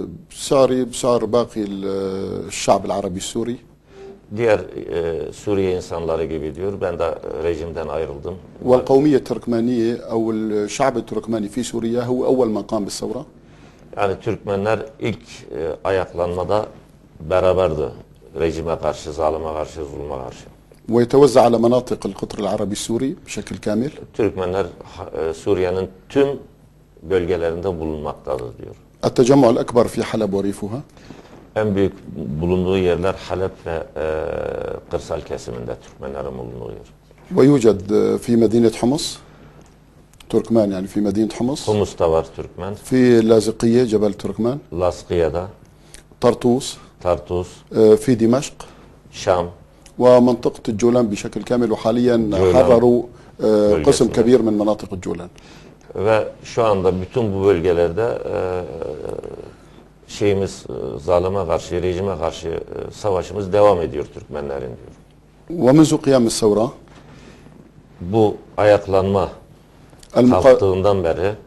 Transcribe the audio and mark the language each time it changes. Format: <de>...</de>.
<ar>Sari bsar baki الشعب العربي السوري.</ar> <tr>Diğer Suriye insanları gibi diyor. Ben de rejimden ayrıldım.</tr> <ar>والقومية التركمانية أو الشعب التركماني في سوريا هو أول من قام بالثورة.</ar> <tr>Yani Türkmenler ilk ayaklanmada beraberdi rejime karşı, zalime karşı, zulme karşı.</tr> <ar>ويتوزع على مناطق القطر العربي السوري بشكل كامل.</ar> <tr>Türkmenler Suriye'nin tüm bölgelerinde bulunmaktadır diyor.</tr> <ar>التجمع الأكبر في حلب وريفها.</ar> <tr>En büyük bulunduğu yerler Halep ve kırsal kesiminde Türkmenlerin bulunduğu yer.</tr> <ar>ويوجد في مدينة حمص.</ar> <tr>Türkmen yani</tr> <ar>في مدينة حمص.</ar> <tr>Humus'ta var Türkmen.</tr> <ar>في لازقية جبل تركمان.</ar> <tr>Lazkiye'de.</tr> <ar>Tartus.</ar> <tr>Tartus.</tr> <ar>في دمشق.</ar> <tr>Şam.</tr> <ar>ومنطقة الجولان بشكل كامل وحاليا حرروا قسم كبير من مناطق الجولان.</ar> <tr>وشو anda bütün bu bölgelerde şeyimiz zalime karşı, rejime karşı savaşımız devam ediyor Türkmenlerin diyor.</tr> <ar>ومنذ قيام الثورة.</ar> <tr>Bu ayaklanma kalktığından beri.</tr>